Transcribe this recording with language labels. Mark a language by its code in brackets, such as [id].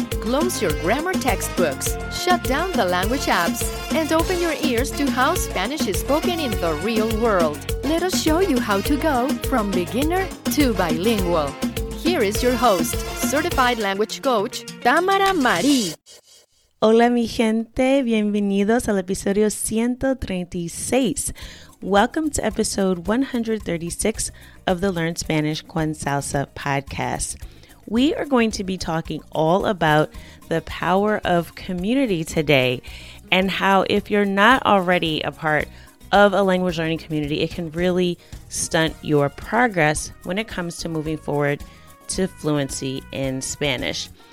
[en] Close your grammar textbooks, shut down the language apps, and open your ears to how Spanish is spoken in the real world. Let us show you how to go from beginner to bilingual. Here is your host, certified language coach, Tamara Marie. [es] Hola mi gente, bienvenidos al episodio 136. [en] Welcome to episode 136 of the Learn Spanish con Salsa podcast. We are going to be talking all about the power of community today and how if you're not already a part of a language learning community, it can really stunt your progress when it comes to moving forward to fluency in Spanish.